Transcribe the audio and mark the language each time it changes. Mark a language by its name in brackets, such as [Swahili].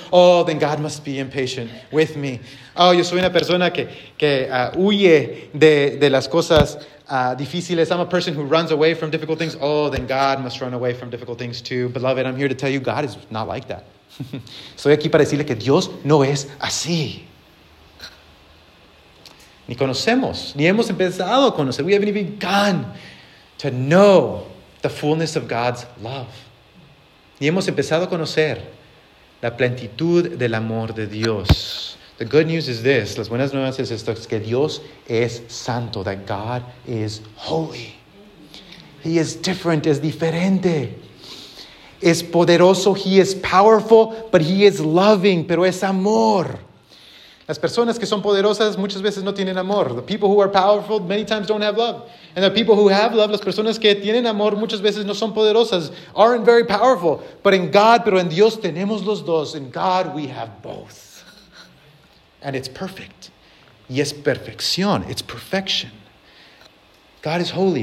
[English] Oh, then God must be impatient with me. [Spanish] Oh, yo soy una persona que huye de las cosas difíciles. [English] I'm a person who runs away from difficult things. Oh, then God must run away from difficult things too. Beloved, I'm here to tell you, God is not like that. [Spanish] Soy aquí para decirle que Dios no es así. Ni conocemos, ni hemos empezado a conocer. [English] We haven't even begun to know the fullness of God's love. [Spanish] Ni hemos empezado a conocer la plenitud del amor de Dios. The good news is this. Las buenas nuevas es esto. Es que Dios es santo. [English] That God is holy. He is different. [Spanish] Es diferente. Es poderoso. [English] He is powerful. But he is loving. Pero es amor. [Spanish] Las personas que son poderosas muchas veces no tienen amor. [English] The people who are powerful many times don't have love. And the people who have love, las personas que tienen amor muchas veces no son poderosas, aren't very powerful. But in God, pero en Dios tenemos los dos. In God we have both. And it's perfect. Y es perfección. It's perfection. God is holy.